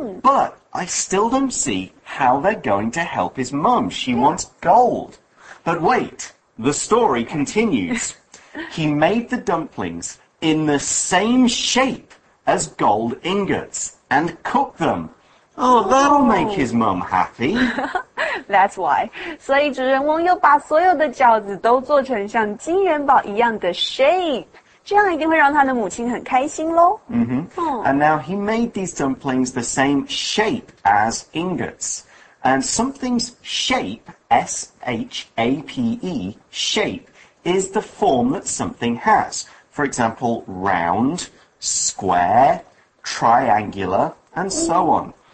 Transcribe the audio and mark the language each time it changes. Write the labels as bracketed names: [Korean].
[English] But I still don't see how they're going to help his mum. She wants gold. But wait, the story continues. He made the dumplings in the same shape as gold ingots and cooked them. Oh, that'll make his mum happy. That's why. [Chinese] 所以主人翁又把所有的饺子都做成像金元宝一样的 shape. 这样一定会让他的母亲很开心咯。 [English] And now he made these dumplings the same shape as ingots. And something's shape, S-H-A-P-E, shape, is the form that something has. For example, round, square, triangular, and so on.